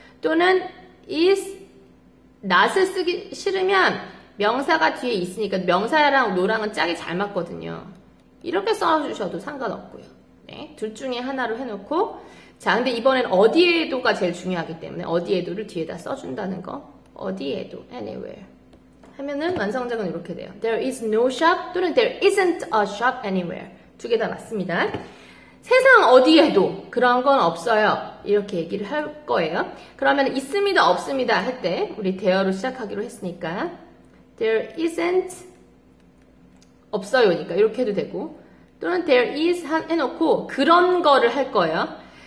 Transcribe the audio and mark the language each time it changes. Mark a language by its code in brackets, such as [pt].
[ko] 또는 is not을 쓰기 싫으면 명사가 뒤에 있으니까 명사랑 노랑은 짝이 잘 맞거든요. 이렇게 써주셔도 상관없고요. 네, 둘 중에 하나로 해놓고 자, 근데 이번엔 어디에도가 제일 중요하기 때문에 어디에도를 뒤에다 써준다는 거. 어디에도, anywhere 하면은 완성작은 이렇게 돼요. [en] There is no shop [ko] 또는 [en] there isn't a shop anywhere. [ko] 두 개 다 맞습니다. 세상 어디에도 그런 건 없어요. 이렇게 얘기를 할 거예요. 그러면 있습니다, 없습니다 할 때 우리 대화로 시작하기로 했으니까 There isn't 없어요니까 이렇게 해도 되고 또는 there is 해놓고 그런 거를 할 거예요.